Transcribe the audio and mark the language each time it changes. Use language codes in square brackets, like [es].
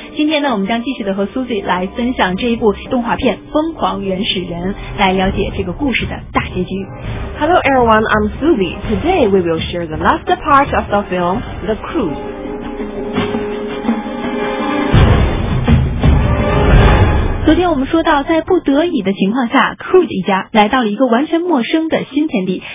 [zh] 今天呢，我们将继续的和 Susie 来分享这一部动画片《疯狂原始人》，来了解这个故事的大结局。 [en] Hello everyone, I'm Susie. Today we will share the last part of the film The Cruise. [zh] 昨天我们说到，在不得已的情况下， Cruz 一家来到了一个完全陌生的新天地。